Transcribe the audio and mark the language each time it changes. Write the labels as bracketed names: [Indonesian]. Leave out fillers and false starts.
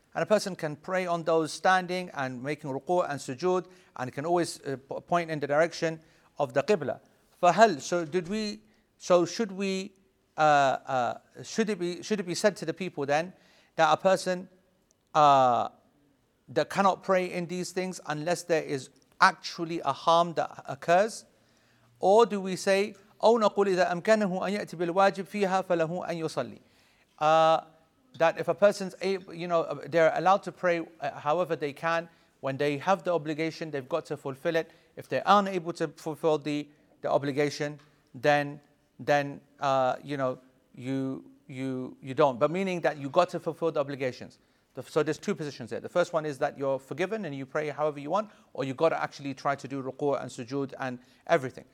[English] And a person can pray on those standing and making ruku' and sujood, and can always point in the direction of the Qibla. Fahal, should it be said to the people then that a person that cannot pray in these things unless there is actually a harm that occurs? Or do we say, [Arabic] أو نقول إذا أمكنه أن يأتي بالواجب فيها فله أن يصلي? [English] That if a person's able, you know, they're allowed to pray however they can, when they have the obligation, they've got to fulfill it. If they aren't able to fulfill the obligation, then you don't. But meaning that you got to fulfill the obligations. So there's two positions there. The first one is that you're forgiven and you pray however you want, or you've got to actually try to do ruku' and sujood and everything.